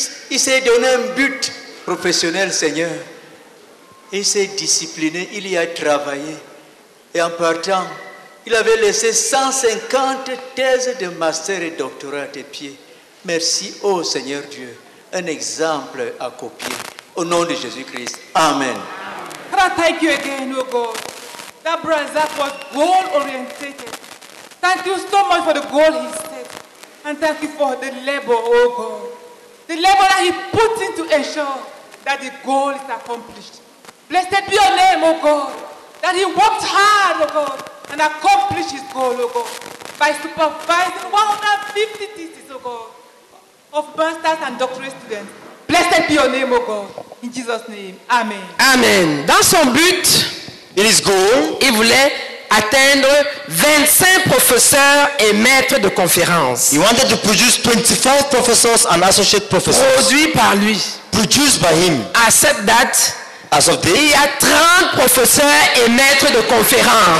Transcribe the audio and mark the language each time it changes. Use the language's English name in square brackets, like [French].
[French] Il s'est donné un but professionnel, Seigneur. Il s'est discipliné, il y a travaillé. Et en partant, il avait laissé 150 thèses de master et doctorat à tes pieds. Merci, ô Seigneur Dieu, un exemple à copier. Au nom de Jésus-Christ, amen. [English] Father, thank you again, oh God. That brother was goal-oriented. Thank you so much for the goal he set. and thank you for the labor, oh God. The labor that he put in to ensure that the goal is accomplished. Blessed be your name, oh God, that he worked hard, oh God, and accomplished his goal, oh God, by supervising 150 theses, oh God, of masters and doctorate students. Blessed be your name, oh God. In Jesus' name, amen. [French] Amen. Dans son but, [English] in his goal, [French] il voulait atteindre 25 professeurs et maîtres de conférences. [English] He wanted to produce 25 professors and associate professors. [French] Produit par lui. [English] Produced by him. [French] À cette date, [English] as of date, [French] il y a 30 professeurs et maîtres de conférences.